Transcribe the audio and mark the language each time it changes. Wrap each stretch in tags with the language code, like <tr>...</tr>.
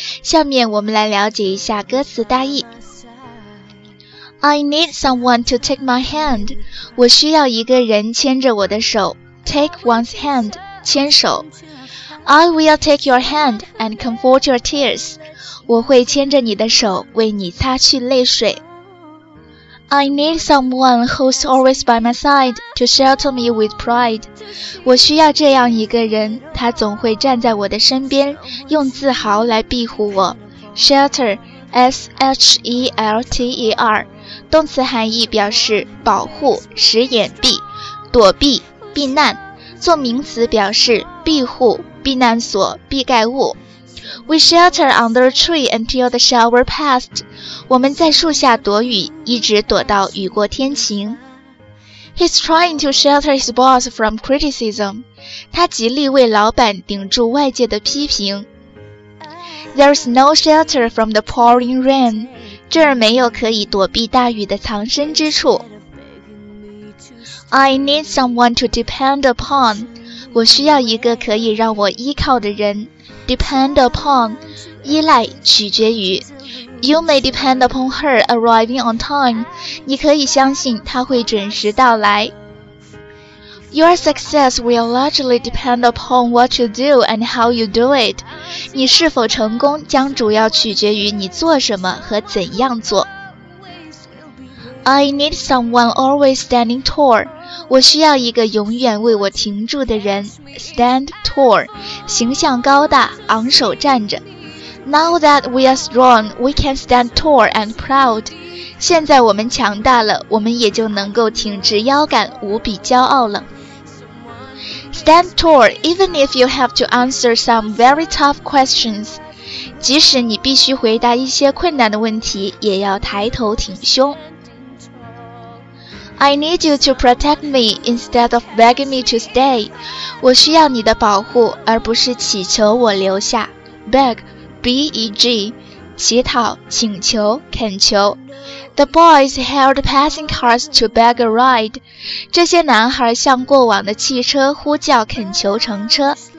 <zh>下面我们来了解一下歌词大意。</zh> <en>I need someone to take my hand.</en> <zh>我需要一个人牵着我的手。</zh> <en>Take one's hand,</en> <zh>牵手。</zh> <en>I will take your hand and comfort your tears.</en> <zh>我会牵着你的手，为你擦去泪水。</zh> <en>I need someone who's always by my side to shelter me with pride.</en> <zh>我需要这样一个人，他总会站在我的身边，用自豪来庇护我。</zh> <en>Shelter, S-H-E-L-T-E-R.</en> <zh>动词含义表示保护、使掩蔽、躲避、避难，做名词表示庇护、避难所、避盖物。</zh> <en>We shelter under a tree until the shower passed.</en> <zh>我们在树下躲雨，一直躲到雨过天晴。</zh> <en>He's trying to shelter his boss from criticism.</en> <zh>他极力为老板顶住外界的批评。</zh> <en>There's no shelter from the pouring rain.</en> <zh>这儿没有可以躲避大雨的藏身之处。</zh> <en>I need someone to depend upon.</en> <zh>我需要一个可以让我依靠的人。</zh> <en>Depend upon,</en> <zh>依赖，取决于。</zh> <en>You may depend upon her arriving on time.</en> <zh>你可以相信她会准时到来。</zh> <en>Your success will largely depend upon what you do and how you do it.</en> <zh>你是否成功将主要取决于你做什么和怎样做。</zh> <en>I need someone always standing tall.</en> <zh>我需要一个永远为我挺住的人。</zh> <en>Stand tall,</en> <zh>形象高大，昂首站着。</zh> <en>Now that we are strong, we can stand tall and proud.</en> <zh>现在我们强大了，我们也就能够挺直腰杆，无比骄傲了。</zh> <en>Stand tall, even if you have to answer some very tough questions.</en> <zh>即使你必须回答一些困难的问题，也要抬头挺胸。</zh> <en>I need you to protect me instead of begging me to stay.</en> <zh>我需要你的保护，而不是祈求我留下。</zh> <en>Beg, B-E-G,</en> <zh>乞讨、请求、恳求。</zh> <en>The boys hailed passing cars to beg a ride.</en> <zh>这些男孩向过往的汽车呼叫恳求乘车。</zh>